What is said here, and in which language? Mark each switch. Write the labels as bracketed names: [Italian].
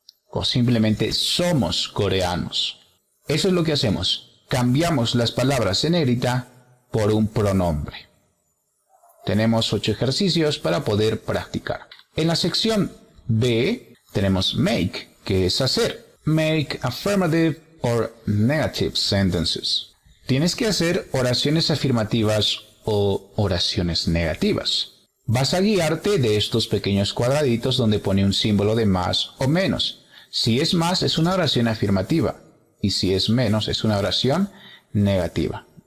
[Spanish] O simplemente somos coreanos. Eso es lo que hacemos. Cambiamos las palabras en negrita por un pronombre. Tenemos 8 ejercicios para poder practicar. En la sección B tenemos make, que es hacer. [English] Make affirmative or negative sentences. [Spanish] Tienes que hacer oraciones afirmativas o oraciones negativas. Vas a guiarte de estos pequeños cuadraditos donde pone un símbolo de más o menos. Si es más, es una oración afirmativa. Y si es menos, es una oración negativa.